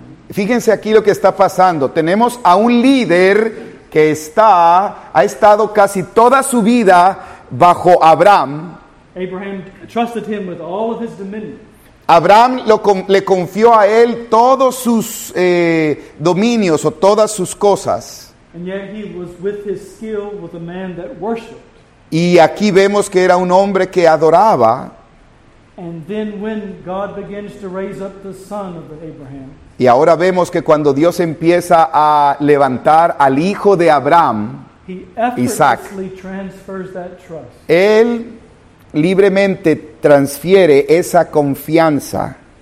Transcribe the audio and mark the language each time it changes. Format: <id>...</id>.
<es>Fíjense aquí lo que está pasando. Tenemos a un líder que ha estado casi toda su vida bajo Abraham.</es> <en>Abraham trusted him with all of his dominion.</en> <es>Abraham le confió a él todos sus dominios o todas sus cosas.</es> <en>And yet he was with his skill with a man that worshipped.</en> <es>Y aquí vemos que era un hombre que adoraba.</es> <en>And then when God begins to raise up the son of Abraham.</en> <es>Y ahora vemos que cuando Dios empieza a levantar al hijo de Abraham,</es> <en>he effortlessly transfers that trust.</en> <es>Él libremente transfiere esa confianza.</es>